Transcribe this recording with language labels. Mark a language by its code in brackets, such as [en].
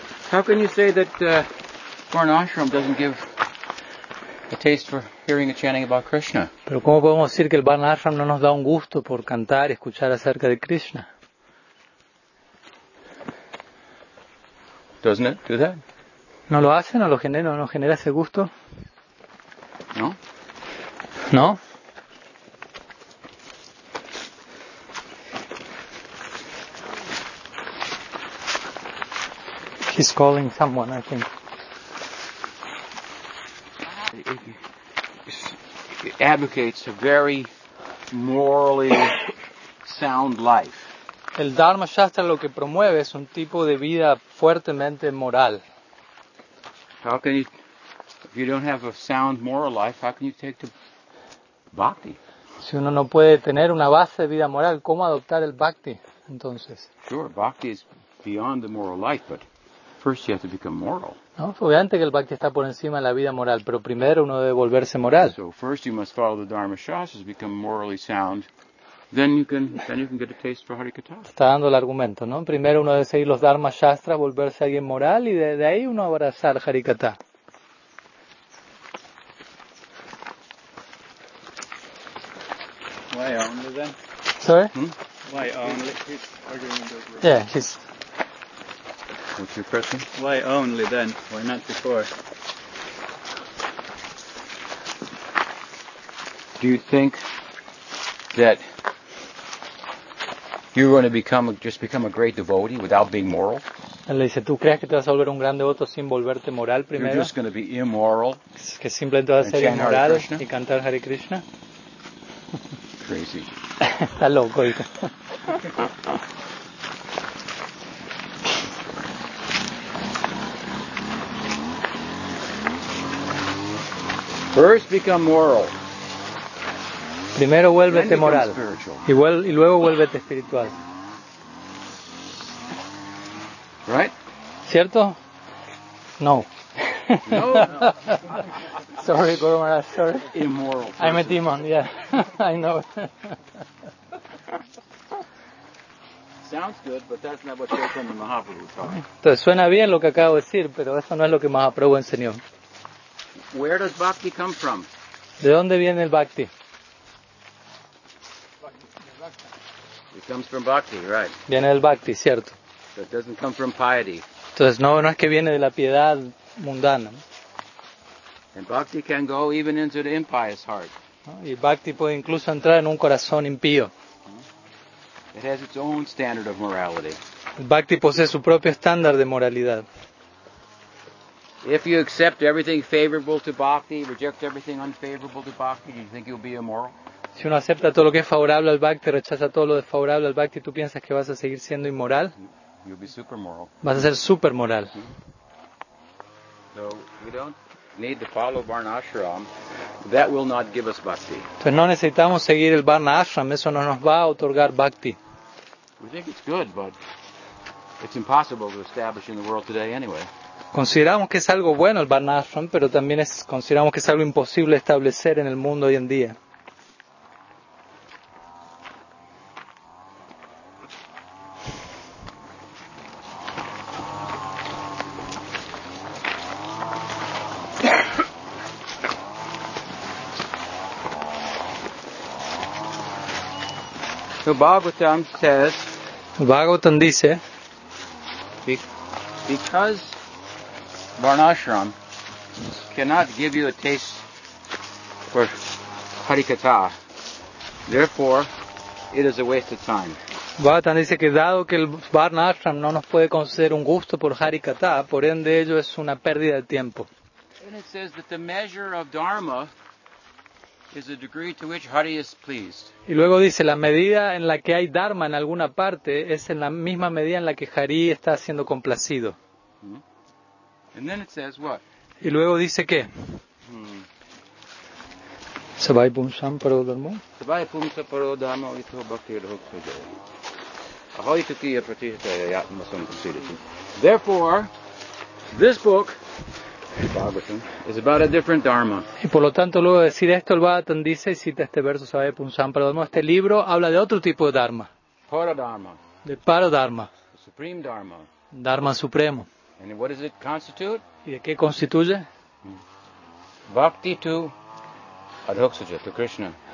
[en] How can you say that Varnashram doesn't give a taste for hearing a chanting about Krishna? [es] Pero cómo podemos decir que el Varnashram no nos da un gusto por cantar y escuchar acerca de Krishna? [en] Doesn't it do that? [es] ¿No lo hace? ¿No lo genera? ¿No genera ese gusto? [en] No. [es] No. [en] He's calling someone, I think. He advocates a very morally sound life. [es] El Dharma Shastra lo que promueve es un tipo de vida fuertemente moral. [en] How can you, if you don't have a sound moral life, how can you take to bhakti? [es] Si uno no puede tener una base de vida moral, ¿cómo adoptar el bhakti, entonces? [en] Sure, bhakti is beyond the moral life, but first you have to become moral. [es] No, obviamente que el bhakti está por encima de la vida moral, pero primero uno debe volverse moral. [en] So first you must follow the Dharma Shastra to become morally sound. Then you can get a taste for Hari Katha. [es] Está dando el argumento, ¿no? Primero uno debe seguir los Dharma Shastra, volverse alguien moral y de ahí uno abrazar Hari Katha. [en] Why only then? Sorry? Why only? Yeah, he's... What's your question? Why only then? Why not before? Do you think that you're going to become just become a great devotee without being moral? [es] Él dice, ¿tú crees que te vas a volver un gran devoto sin volverte moral primero? [en] You're just going to be immoral. [es] Que simplemente vas a ser inmoral y cantar Hare Krishna. [en] Crazy. [es] Está loco, hijo. [en] First become moral. [es] Primero vuélvete moral y luego vuélvete espiritual. [en] Right? [es] ¿Cierto? No. No. No. [en] Sorry, Guru Maharaj, sorry. Immoral. Person. I'm a demon, yeah. I know. Sounds good, but that's not what Chaitanya Mahaprabhu taught. [es] Entonces suena bien lo que acabo de decir, pero eso no es lo que Mahaprabhu enseñó. [en] Where does bhakti come from? [es] ¿De dónde viene el bhakti? [en] It comes from bhakti, right? [es] Viene del bhakti, cierto. [en] So it doesn't come from piety. [es] Entonces no es que viene de la piedad mundana. [en] And bhakti can go even into the impious heart. [es] Y bhakti puede incluso entrar en un corazón impío. [en] It has its own standard of morality. [es] El bhakti posee su propio estándar de moralidad. [en] If you accept everything favorable to bhakti, reject everything unfavorable to bhakti, do you think you'll be immoral? [es] Si uno acepta todo lo que es favorable al bhakti, rechaza todo lo desfavorable al bhakti, ¿tú piensas que vas a seguir siendo inmoral? [en] You'll be super moral. [es] Vas a ser super moral. [en] So, we don't need to follow varnashram, that will not give us bhakti. [es] Entonces no necesitamos seguir el varnashram, eso no nos va a otorgar bhakti. [en] We think it's good, but it's impossible to establish in the world today anyway. [es] Consideramos que es algo bueno el varnashram, pero también es, consideramos que es algo imposible establecer en el mundo hoy en día. [en] So Bhagavatam says, [es] Bhagavatam dice, [en] because varnashram cannot give you a taste for harikatha, therefore it is a waste of time. [es] Bhagavatam dice que dado que el varnashram no nos puede conceder un gusto por harikatha, por ende ello es una pérdida de tiempo. [en] And it says that the measure of dharma is the degree to which Hari is pleased. [es] Y luego dice, la medida en la que hay dharma en alguna parte es en la misma medida en la que Hari está siendo complacido. [en] Mm-hmm. And then it says what? [es] Y luego dice qué? [sa] Sabai pumsam paro dharma. Sabai pumsam paro dharma ito bhakti rahuk sujaya. Ahoy tukiya pratishtaya yatma sankasiriti. [en] Therefore, this book is about a different dharma. [es] Y por lo tanto, luego de decir esto, el Bhagavatam dice y cita este verso, [sa] sabe, punsam paradharma. [es] Este libro habla de otro tipo de dharma. Para-Dharma. De Para-Dharma. [en] The supreme dharma. [es] Dharma supremo. [en] And what does it constitute? [es] ¿Y de qué constituye? [en] Bhakti to Adhoksaya, to Krishna.